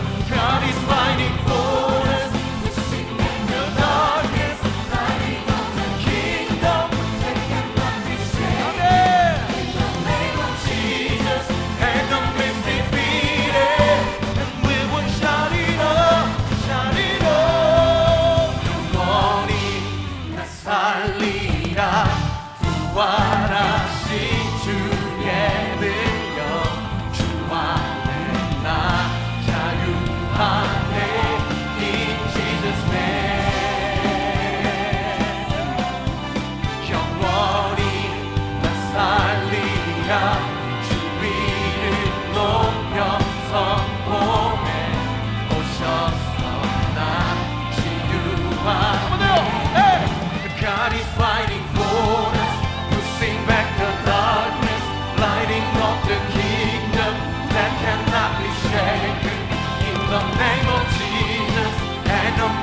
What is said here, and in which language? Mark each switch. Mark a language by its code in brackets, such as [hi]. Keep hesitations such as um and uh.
[en] God is fighting for us, pushing back the darkness, lighting up the kingdom that cannot be shaken. Jesus, enemies defeated, and we will shout it up, shout it up. [ko] 영원히 나 살리라, 부활하신 주의 능력, 주 안에 나 자유하네, [en] in Jesus' name. [ko] 영원히 나 살리라 주위를 높여서 몸에 오셔서 나 치유하세요 [en] God is fighting for us pushing back the darkness lighting up the kingdom that cannot be shaken in the name of Jesus and